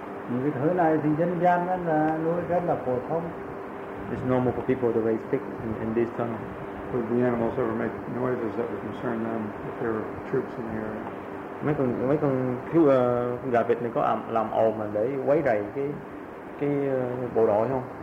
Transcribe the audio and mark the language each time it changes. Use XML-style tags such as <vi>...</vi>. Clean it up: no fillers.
<vi>Những cái thứ này thì dân gian nó là nuôi rất là phổ thông.</vi> <en>It's normal for people to raise pigs in this tunnel. Would the animals ever make noises that would concern them if there were troops in the area?</en> <vi>Mấy con thiếu gà vịt này có làm ồn mà để quấy rầy cái bộ đội không?</vi>